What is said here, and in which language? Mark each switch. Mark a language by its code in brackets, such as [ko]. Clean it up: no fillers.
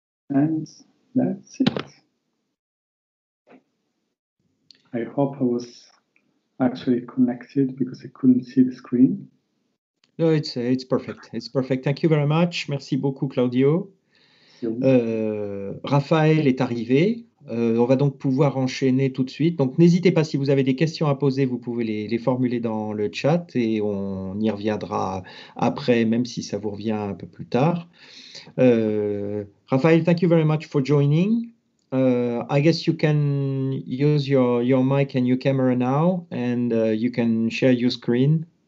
[en] And that's it. I hope I was actually connected, because I couldn't see the screen. No, it's perfect. It's perfect. Thank you very much. [fr] Merci beaucoup, [en] Claudio. [fr] Raphaël est arrivé, on va donc pouvoir enchaîner tout de suite. Donc n'hésitez pas, si vous avez des questions à poser, vous pouvez les formuler dans le chat et on y reviendra après, même si ça vous revient un peu plus tard. [en] Raphaël, thank you very much for joining. I guess you can use your mic and your camera now, and you can share your screen.